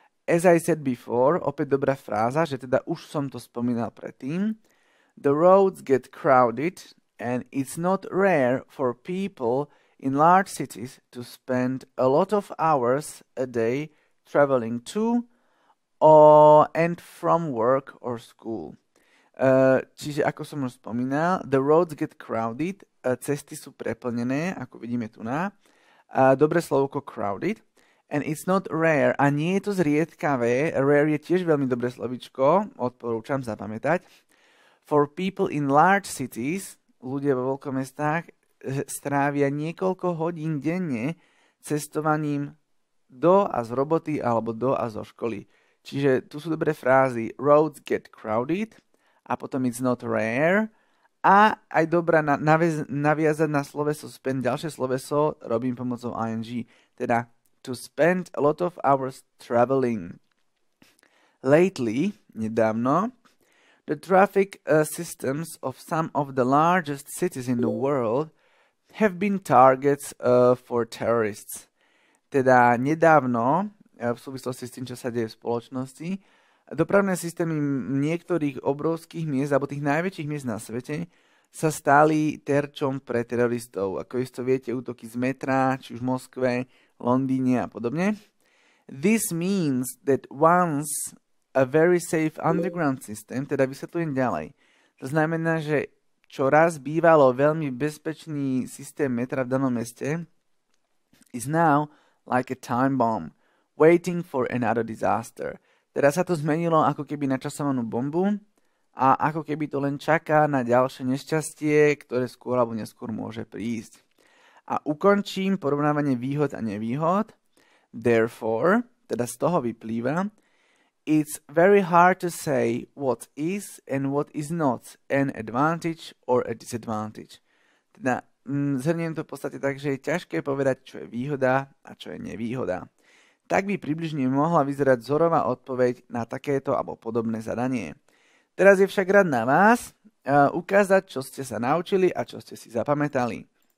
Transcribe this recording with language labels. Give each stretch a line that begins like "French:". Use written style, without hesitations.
English: As I said before,
Slovak: opäť dobrá fráza, že teda už som to spomínal predtým,
English: the roads get crowded and it's not rare for people in large cities to spend a lot of hours a day traveling to or and from work or school.
Slovak: Čiže ako som už spomínal,
English: the roads get crowded,
Slovak: cesty sú preplnené, ako vidíme tu na. Dobré slovko crowded.
English: And it's not rare,
Slovak: a nie je to zriedkavé, rare je tiež veľmi dobré slovičko, odporúčam zapamätať,
English: for people in large cities,
Slovak: ľudia vo veľkých mestách, strávia niekoľko hodín denne cestovaním do a z roboty alebo do a zo školy. Čiže tu sú dobré frázy,
English: roads get crowded,
Slovak: a potom
English: it's not rare,
Slovak: a aj dobrá naviazať na sloveso spend, ďalšie sloveso robím pomocou ing, teda
English: to spend a lot of hours traveling. Lately, nedávno, the traffic systems of some of the largest cities in the world have been targets for terrorists.
Slovak: Teda nedávno, v súvislosti s tým, čo sa deje v spoločnosti, dopravné systémy niektorých obrovských miest alebo tých najväčších miest na svete sa stali terčom pre teroristov. Ako isto viete, útoky z metra, či už v Moskve, Londýne a podobne.
English: This means that once a very safe underground system,
Slovak: teda vysvetlujem ďalej, to znamená, že čoraz bývalo veľmi bezpečný systém metra v danom meste,
English: is now like a time bomb, waiting for another disaster.
Slovak: Teda sa to zmenilo ako keby na časovanú bombu a ako keby to len čaká na ďalšie nešťastie, ktoré skôr alebo neskôr môže prísť. A ukončím porovnávanie výhod a nevýhod.
English: Therefore,
Slovak: teda z toho vyplýva,
English: it's very hard to say what is and what is not an advantage or a disadvantage.
Slovak: Teda zhrniem to v podstate tak, že je ťažké povedať, čo je výhoda a čo je nevýhoda. Tak by približne mohla vyzerať vzorová odpoveď na takéto alebo podobné zadanie. Teraz je však rad na vás ukázať, čo ste sa naučili a čo ste si zapamätali.